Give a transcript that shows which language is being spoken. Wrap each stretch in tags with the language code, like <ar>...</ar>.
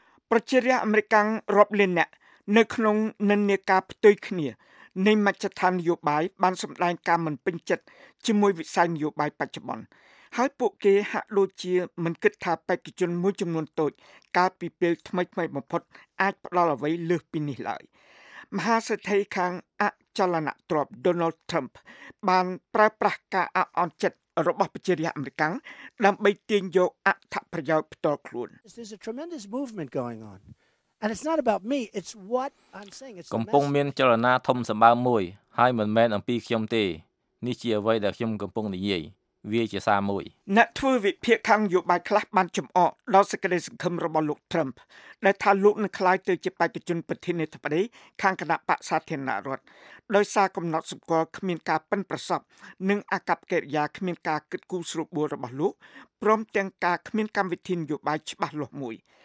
<km>ប្រជារាស្ត្រអាមេរិកកាំងរាប់លានអ្នកនៅក្នុងនិន្នាការផ្ទុយគ្នានៃមជ្ឈដ្ឋាននយោបាយបានសម្ដែងការមិនពេញចិត្តជាមួយវិស័យនយោបាយបច្ចុប្បន្នហើយពួកគេហាក់ដូចជាមិនគិតថាបេក្ខជនមួយចំនួនតូចកាលពីពេលថ្មីថ្មីបំផុតអាចផ្ដល់អ្វីលើសពីនេះឡើយមហាសេដ្ឋីខាងអចលនទ្រព្យ Donald Trump បានប្រើប្រាស់ការអាក់អន់ចិត្តរបស់ប្រជារាស្ត្រអាមេរិកដើម្បីទាញយកអត្ថប្រយោជន៍ផ្ទាល់ខ្លួន</km> <en>And it's not about me, it's what I'm saying.</en> <km>កំពុងមានចលនាធំសម្បើមមួយហើយមិនមែនអំពីខ្ញុំទេនេះជាអ្វីដែលខ្ញុំកំពុងនិយាយវាជាសារមួយ អ្នកធ្វើវិភាគខាងនយោបាយខ្លះបានចំអកដល់សេចក្តីសង្ឃឹមរបស់លោក Trump ដែលថាលោកនឹងក្លាយទៅជាបេក្ខជនប្រធានាធិបតីខាងគណៈបក្សសាធារណរដ្ឋដោយសារកំណត់សម្គាល់គ្មានការប៉ិនប្រសប់និងអាកប្បកិរិយាគ្មានការគិតគូរស្រួលបួលរបស់លោកព្រមទាំងការគ្មានកម្មវិធីនយោបាយច្បាស់លាស់មួយ</km>